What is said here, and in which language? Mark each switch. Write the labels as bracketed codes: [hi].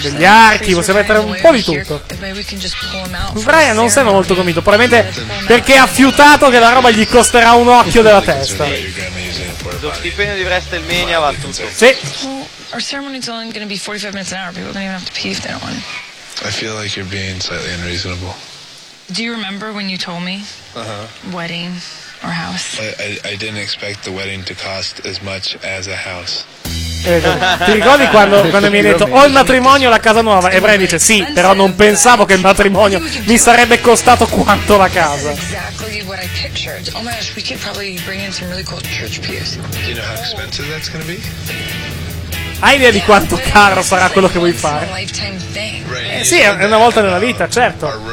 [it] Degli archi, possiamo mettere un po' di tutto. Brian non sembra molto convinto, probabilmente perché ha fiutato che la roba gli costerà un occhio della testa. Lo stipendio di WrestleMania va tutto. Sì. [en] Our ceremony's only going to be 45 minutes an hour. People don't even have to pee if they don't want to. I feel like you're being slightly unreasonable. Do you remember when you told me? Uh-huh. Wedding or house? I didn't expect the wedding to cost as much as a house. [it] Ti ricordi quando mi hai detto o il matrimonio o la casa nuova? E Brian dice sì, però non pensavo che il matrimonio mi sarebbe costato quanto la casa. [en] Exactly what I pictured. Oh my gosh, we could probably bring in some really cool church pews. Do you know how expensive that's going to be? [it] Hai idea di quanto caro sarà quello che vuoi fare? Sì, è una volta nella vita, certo.